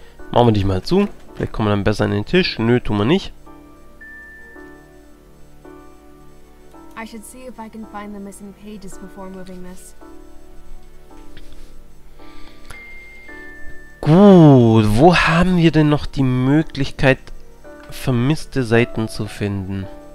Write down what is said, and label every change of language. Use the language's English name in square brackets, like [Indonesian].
[German] Machen wir dich mal zu. Vielleicht kommen wir dann besser an den Tisch. Nö, tun wir nicht. [English] I should see if I can find the missing pages before moving this. [German] Gut, wo haben wir denn noch die Möglichkeit, vermisste Seiten zu finden?